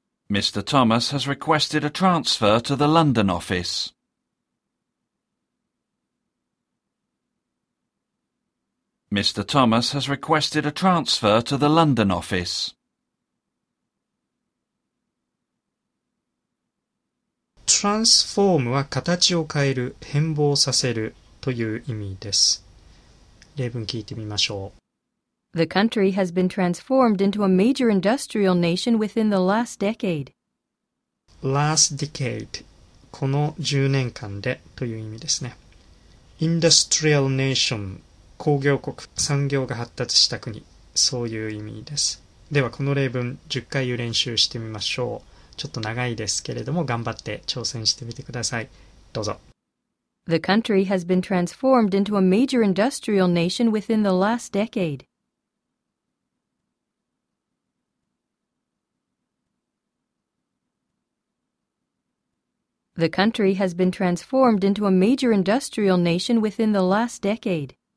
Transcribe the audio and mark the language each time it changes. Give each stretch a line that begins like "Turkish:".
English: Mr. Thomas has requested a transfer to the London office. Mr. Thomas has requested a transfer to the London office.
Japanese: Transform は形を変える、変貌させるという意味です。例文聞いてみましょう。
English: The country has been transformed into a major industrial nation within the last decade. Last decade、
Japanese: この10年間でという意味ですね。
English: Industrial nation、
Japanese: 工業国、産業が発達した国、そういう意味です。ではこの例文10回練習してみましょう。ちょっと長いですけれども頑張って挑戦してみてください。どうぞ。
English: The country has been transformed into a major industrial nation within the last decade. The country has been transformed into a major industrial nation within the last decade.